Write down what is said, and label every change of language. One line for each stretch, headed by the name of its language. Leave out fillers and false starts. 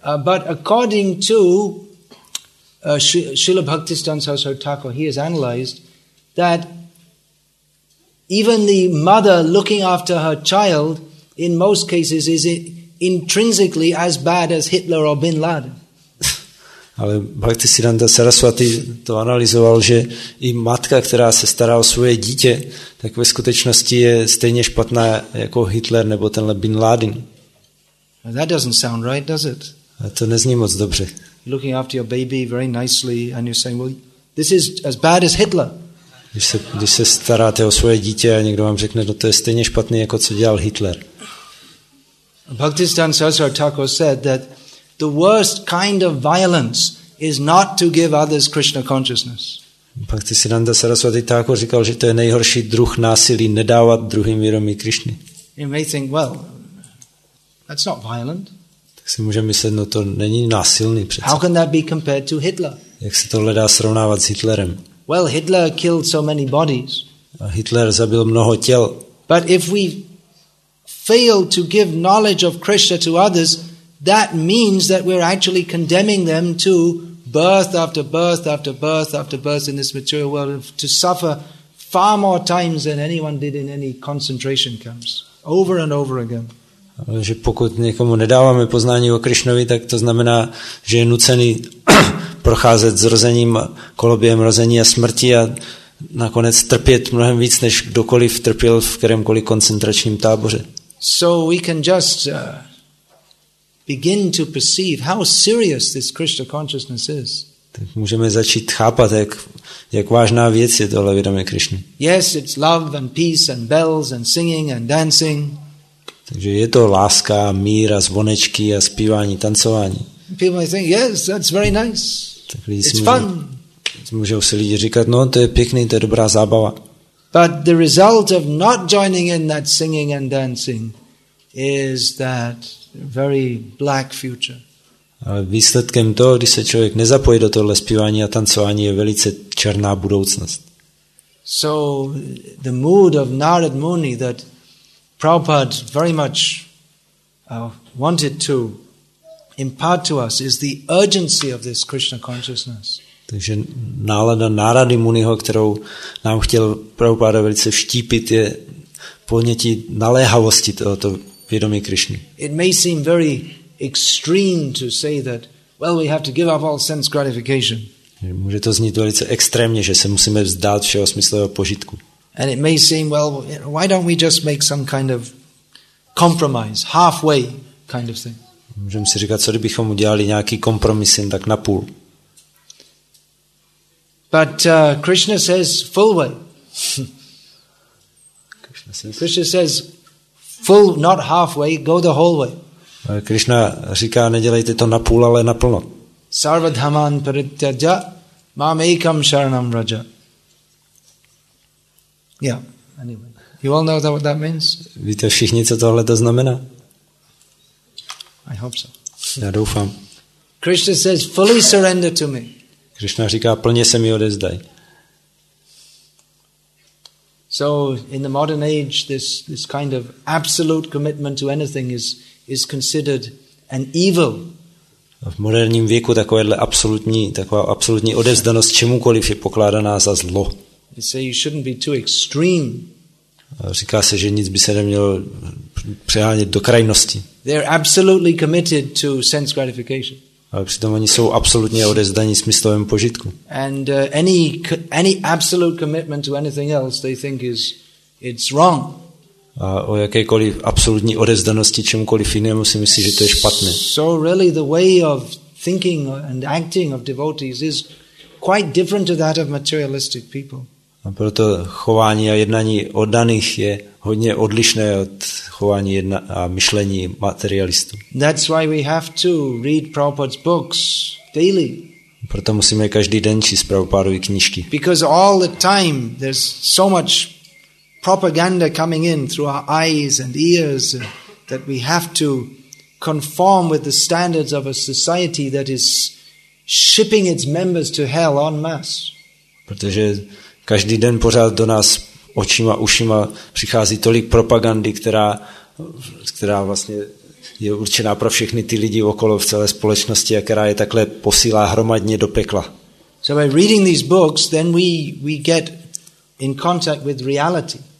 English: But according to Srila Bhaktisiddhanta Saraswati Thakur, he has analyzed that even the mother looking after her child in most cases is intrinsically as bad as Hitler or Bin Laden.
Czech: Ale Bhaktisiddhanta Saraswati to analyzoval, že i matka, která se stará o svoje dítě, tak ve skutečnosti je stejně špatná jako Hitler nebo tenhle Bin Laden.
English: That doesn't sound right, does it?
Czech: A to nezní moc dobře.
English: Looking after your baby very nicely and you're saying, well, this is as bad as Hitler.
Czech: Když se staráte o svoje dítě a někdo vám řekne, no to je stejně špatný, jako co dělal Hitler.
English: Bhaktisiddhanta Saraswati Thakur said that the worst kind of violence is not to give others Krishna consciousness.
Czech: Bhaktisiddhanta Saraswati Thakur říkal, že to je nejhorší druh násilí, nedávat druhým vědomí Krišny.
English: You may think, well, that's not violent.
Czech: Tak si můžeme myslet, no to není násilný přece.
English: How can that be compared to Hitler?
Czech: Jak se tohle dá srovnávat s Hitlerem?
English: Well, Hitler killed so many bodies.
Czech: A Hitler zabil mnoho těl.
English: But if we fail to give knowledge of Krishna to others, that means that we're actually condemning them to birth after birth after birth after birth in this material world to suffer far more times than anyone did in any concentration camps, over and over again.
Czech: Ale že pokud někomu nedáváme poznání o Krišnovi, tak to znamená, že je nucený procházet zrozením, koloběhem rození a smrti a nakonec trpět mnohem víc, než kdokoliv trpěl v kterémkoliv koncentračním táboře.
English: So we can just begin to perceive how serious this Krishna consciousness is.
Czech: Tak můžeme začít chápat, jak vážná věc je tohle vědomí Krišny.
English: Yes, it's love and peace and bells and singing and dancing.
Czech: Takže je to láska, mír a zvonečky a zpívání, tancování.
English: People might think, yes, that's very nice.
Czech: Tak lidi můžou si lidi říkat, no to je pěkný, to je dobrá zábava.
English: But the result of not joining in that singing and dancing is that very black future.
Czech: Ale výsledkem toho, když se člověk nezapojí do tohle zpívání a tancování, je velice černá budoucnost.
English: So the mood of Narad Muni that Prabhupada very much wanted to impart to us is the urgency of this Krishna consciousness.
Czech: Takže nálada Narady Muniho, kterou nám chtěl Prabhupada velice vštípit, je ponětí naléhavosti tohoto vědomí Krišny.
English: It may seem very extreme to say that, well, we have to give up all sense gratification.
Czech: Může to znít velice extrémně, že se musíme vzdát všeho smyslového požitku.
English: And it may seem, well, why don't we just make some kind of compromise, halfway kind of thing.
Czech: Můžeme si říkat, co kdybychom udělali nějaký kompromis jen tak napůl.
English: But Krishna says full way. Krishna says full, not halfway, go the whole way.
Czech: Krishna říká, nedělejte to napůl, ale naplno.
Sanskrit: Sarvadhaman parityaja mam ekam sharanam raja.
English: Yeah, anyway. You all know what that means?
Czech: Víte všichni, co tohle to znamená?
English: I hope so.
Czech: Já doufám.
English: Krishna says, fully surrender to me.
Czech: Krishna říká, plně se mi odezdaj.
English: So in the modern age, this kind of absolute commitment to anything is considered an evil.
Czech: V moderním věku takovéhle absolutní odevzdanost čemukoliv je pokládaná za zlo.
English: They say you shouldn't be too extreme.
Czech: Říká se, že nic by se nemělo přehánět do krajnosti.
English: They are absolutely committed to sense gratification.
Czech: Ale přitom oni jsou absolutně odevzdaní smyslovému požitku.
English: And any absolute commitment to anything else they think is it's wrong.
Czech: A o jakékoliv absolutní odevzdanosti čemukoliv jinému si myslí, že to je špatné.
English: So really the way of thinking and acting of devotees is quite different to that of materialistic people.
Czech: A proto chování a jednání oddaných je hodně odlišné od chování a myšlení materialistů.
English: That's why we have to read Prabhupada's books daily.
Czech: Proto musíme každý den číst Prabhupádovy knížky.
English: Because all the time there's so much propaganda coming in through our eyes and ears that we have to conform with the standards of a society that is shipping its members to hell en masse.
Czech: Protože každý den pořád do nás očima, ušima přichází tolik propagandy, která vlastně je určená pro všechny ty lidi okolo v celé společnosti a která je takhle posílá hromadně do pekla.
English: So by reading these books, then we get in contact with reality.